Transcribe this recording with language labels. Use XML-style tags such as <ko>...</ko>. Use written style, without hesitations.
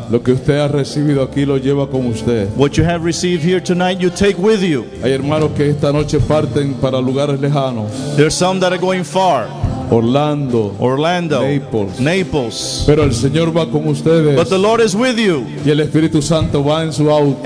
<es>Lo que usted ha recibido aquí lo lleva con usted.</es> <en>What you have received here tonight, you take with you.</en> <es>Hay hermanos que esta noche parten para lugares lejanos.</es> <en>There are some that are going far. Orlando, Naples.</en> <es>Pero el Señor va con ustedes.</es> <en>But the Lord is with you.</en> <es>Y el Espíritu Santo va en su auto.</es>